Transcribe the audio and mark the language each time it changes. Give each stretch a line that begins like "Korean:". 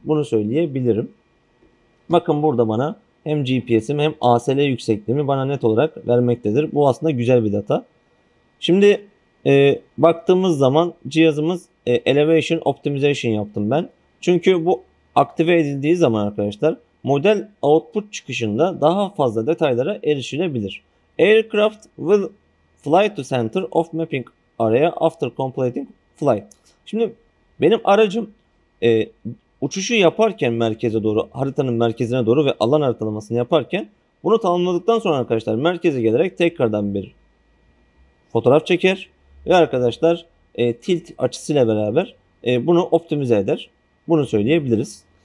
Turkish: Bunu söyleyebilirim. Bakın burada bana hem GPS'im hem ASL yüksekliğimi bana net olarak vermektedir. Bu aslında güzel bir data. Şimdi baktığımız zaman cihazımız Elevation Optimization yaptım ben. Çünkü bu aktive edildiği zaman arkadaşlar model output çıkışında daha fazla detaylara erişilebilir.
English: Aircraft will fly to center of mapping area after completing flight.
Turkish: Şimdi benim aracım uçuşu yaparken merkeze doğru, haritanın merkezine doğru ve alan haritalamasını yaparken bunu tamamladıktan sonra arkadaşlar merkeze gelerek tekrardan bir fotoğraf çeker ve arkadaşlar tilt açısıyla beraber bunu optimize eder. Bunu söyleyebiliriz.